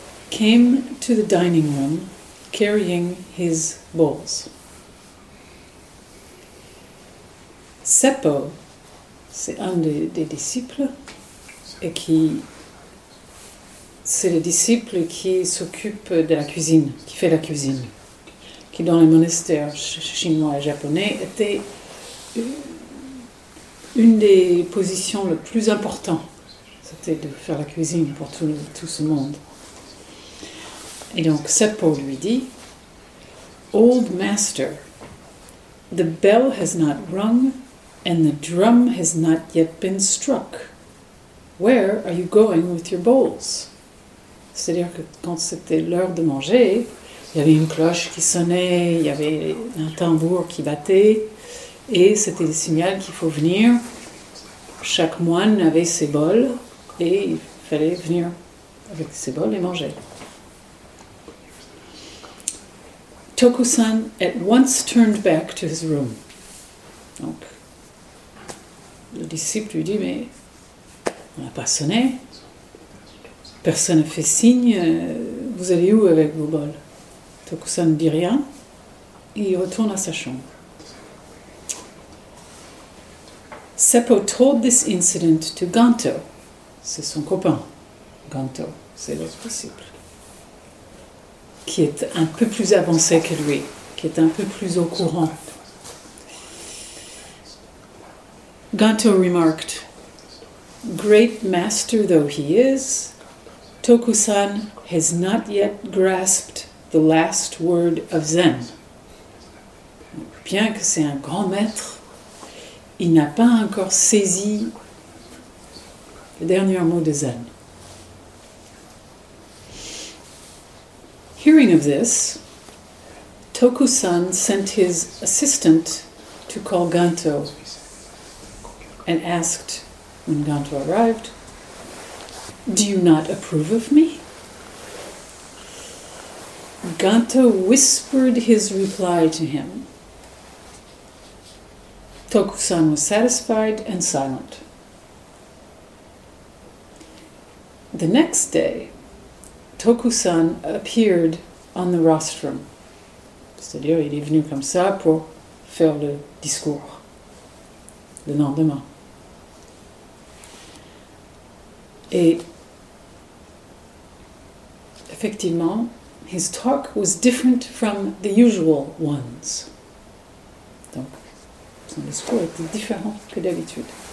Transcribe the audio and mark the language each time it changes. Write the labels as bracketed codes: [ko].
[en] came to the dining room carrying his bowls. [fr] Seppo, c'est un des disciples, et qui c'est le disciple qui s'occupe de la cuisine, qui fait la cuisine, qui dans les monastères chinois et japonais était une des positions les plus importantes, c'était de faire la cuisine pour tout ce monde. Et donc Seppo lui dit: [en] Old master, the bell has not rung and the drum has not yet been struck. Where are you going with your bowls? [fr] C'est-à-dire que quand c'était l'heure de manger, il y avait une cloche qui sonnait, il y avait un tambour qui battait, et c'était le signal qu'il faut venir. Chaque moine avait ses bols, et il fallait venir avec ses bols et manger. [en] Toku-san at once turned back to his room. [fr] Donc, le disciple lui dit, mais on n'a pas sonné, personne n'a fait signe, vous allez où avec vos bols? Toku-san ne dit rien, et il retourne à sa chambre. [en] Seppo told this incident to Ganto. [fr] C'est son copain, Ganto, c'est l'autre disciple, qui est un peu plus avancé que lui, qui est un peu plus au courant. [en] Ganto remarked, Great master though he is, Toku-san has not yet grasped the last word of Zen. [fr] Bien que c'est un grand maître, il n'a pas encore saisi le dernier mot de Zen. [en] Hearing of this, Toku-san sent his assistant to call Ganto and asked, when Ganto arrived, Do you not approve of me? Ganto whispered his reply to him. Toku-san was satisfied and silent. The next day, Toku-san appeared on the rostrum. [fr] C'est-à-dire, il est venu comme ça pour faire le discours le lendemain. Et effectivement, [en] his talk was different from the usual ones. [fr] Donc, son discours était différent que d'habitude.